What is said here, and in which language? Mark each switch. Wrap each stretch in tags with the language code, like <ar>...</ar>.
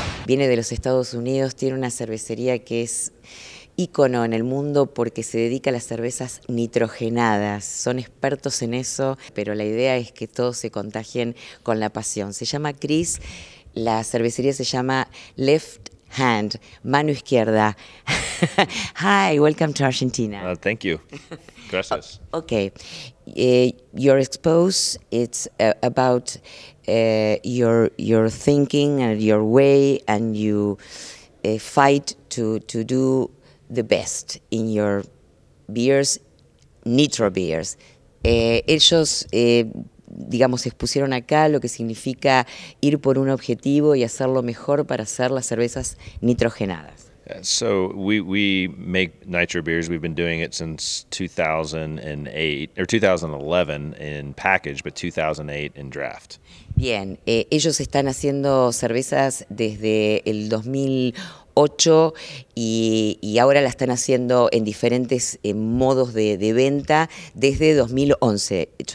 <es>Viene de los Estados Unidos, tiene una cervecería que es ícono en el mundo porque se dedica a las cervezas nitrogenadas. Son expertos en eso, pero la idea es que todos se contagien con la pasión. Se llama Chris, la cervecería se llama Left Hand, mano izquierda.</es> <en>Hi, welcome to Argentina. Thank you. Gracias. Okay. Your expo, it's about your thinking and your way, and you fight to do the best in your beers, nitro beers.</en> <es>Ellos, digamos, expusieron acá lo que significa ir por un objetivo y hacerlo mejor para hacer las cervezas nitrogenadas.</es> <en>So we make nitro beers. We've been doing it since 2008 or 2011 in package, but 2008 in draft.</en> <es>Bien, ellos están haciendo cervezas desde el 2008 y ahora la están haciendo en diferentes modos de venta desde 2011.</es>